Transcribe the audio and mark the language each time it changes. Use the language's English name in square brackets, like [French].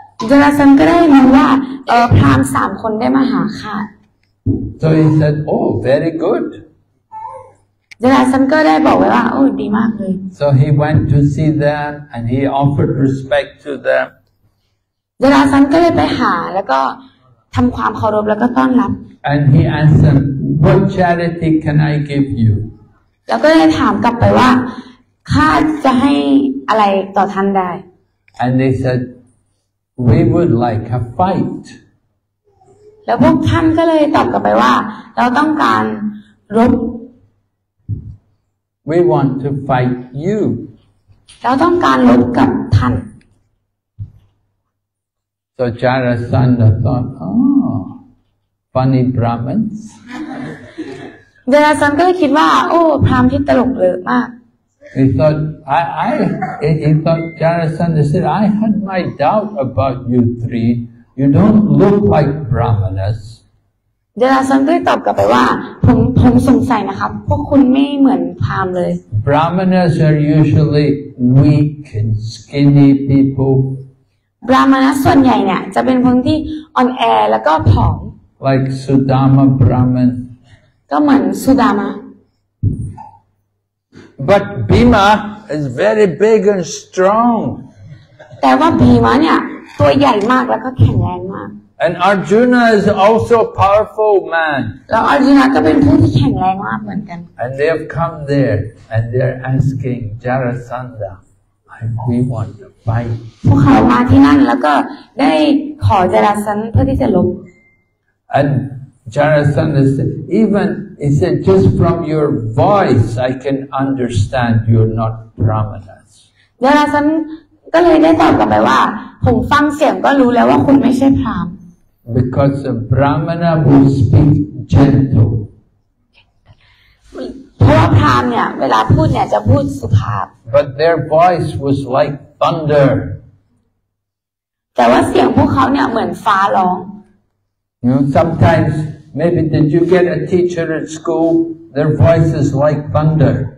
[Thai] จาราสันธ์ก็ได้รู้ว่าพราหมณ์สามคนได้มาหาข้า [English] So he said, oh, very good. [Thai] จาราสันธ์ก็ได้บอกไว้ว่าโอ้ดีมากเลย [English] So he went to see them and he offered respect to them. [Thai] จาราสันธ์ก็ได้ไปหาแล้วก็ทำความเคารพแล้วก็ต้อนรับ [English] And he asked them, what charity can I give you? [Thai] แล้วก็ได้ถามกลับไปว่าข้าจะให้อะไรต่อท่านได้ [English] And they said, we would like a fight. [Thai] แล้วพวกท่านก็เลยตอบกลับไปว่าเราต้องการรบ [English] We want to fight you. [Thai] เราต้องการรบกับท่าน [English] So Jarasandha thought, oh, funny Brahmins. [Thai] Jarasandha ก็เลยคิดว่าโอ้พราหมณ์ที่ตลกเลยมาก [English] He thought, he thought, Jarasandha said, I had my doubt about you three. You don't look like Brahmanas. [Thai] Jarasandha ตอบกลับไปว่าผมสงสัยนะครับพวกคุณไม่เหมือนพราหมณ์เลย [English] Brahmanas are usually weak and skinny people. [Thai] Brahmanas ส่วนใหญ่เนี่ยจะเป็นคนที่อ่อนแอแล้วก็ผอม [English] Like Sudama Brahman. [Thai] ก็เหมือนสุดามะ [English] But Bhima is very big and strong. [Thai] แต่ว่าบีมะเนี่ยตัวใหญ่มากแล้วก็แข็งแรงมาก [English] And Arjuna is also a powerful man. [Thai] แล้ว Arjuna ก็เป็นผู้ที่แข็งแรงมากเหมือนกัน [English] And they have come there and they are asking Jarasandha, we want to fight. [Thai] พวกเขามาที่นั่นแล้วก็ได้ขอจาราสันเพื่อที่จะลบ [English] And Jarasandha said, evenHe said, just from your voice, I can understand you're not Brahmanas. [Thai] Jarasandha ก็เลยได้ตอบกลับไปว่าผมฟังเสียงก็รู้แล้วว่าคุณไม่ใช่พราหมณ์ [English] Because a Brahmana will speak gentle. [Thai] เพราะว่าพราหมณ์เนี่ยเวลาพูดเนี่ยจะพูดสุภาพ [English] But their voice was like thunder. [Thai] แต่ว่าเสียงพวกเขาเนี่ยเหมือนฟ้าร้อง [English] Sometimes. Maybe did you get a teacher at school? Their voice is like thunder.